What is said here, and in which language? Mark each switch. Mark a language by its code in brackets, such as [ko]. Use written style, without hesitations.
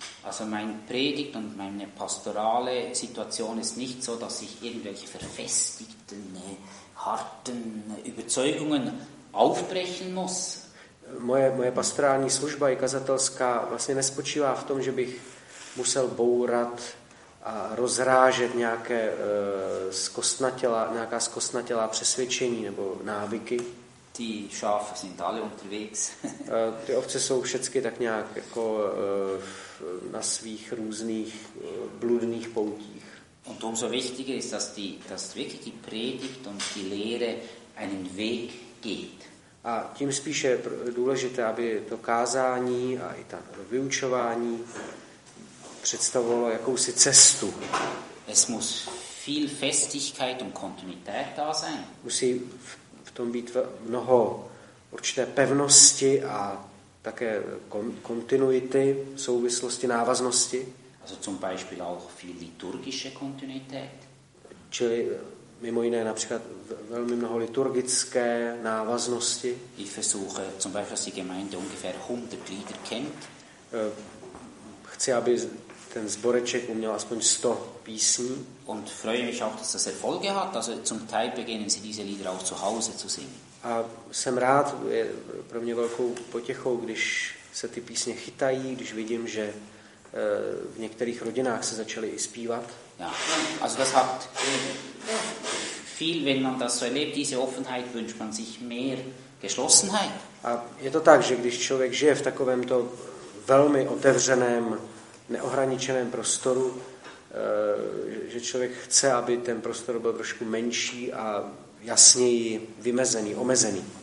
[de] Also mein Predigt und meine pastorale Situation ist nicht so, dass ich irgendwelche verfestigten, harten Überzeugungen aufbrechen muss. [cs] Moje pastorální služba i kazatelská vlastně nespočívá v tom, že bych musel bourat a rozrážet nějaké zkostnatělá přesvědčení nebo návyky. [de] Die Schafe sind alle unterwegs. [cs] Ty ovce jsou všechny tak nějak jako na svých různých bludných poutích. [de] Und umso wichtiger ist, dass wirklich die Predigt und die Lehre einen Weg geht. [cs] A tím spíše je důležité, aby to kázání a i ta vyučování představovalo jakousi cestu. [de] Es muss viel Festigkeit und Kontinuität da sein. [cs] Musí v tom být mnoho určité pevnosti a také kontinuity, souvislosti, návaznosti. [de] Also zum Beispiel auch viel liturgische Kontinuität. [cs] Čili mimo jiné například velmi mnoho liturgické návaznosti. [de] Ich versuche zum Beispiel, dass die Gemeinde ungefähr 100 Lieder kennt. [cs] Chci, aby ten zboreček uměl aspoň 100 písní. [de] Und freue mich auch, dass das Erfolge hat. Also zum Teil beginnen sie diese Lieder auch zu Hause zu singen. [cs] A jsem rád, je pro mě velkou potěchou, když se ty písně chytají, když vidím, že v některých rodinách se začaly i zpívat. [de] Ja, also das hat viel, wenn man das so erlebt, diese Offenheit wünscht man sich mehr Geschlossenheit. [cs] A je to tak, že když člověk žije v takovémto velmi otevřeném, neohraničeném prostoru, že člověk chce, aby ten prostor byl trošku menší a jasněji vymezený, omezený.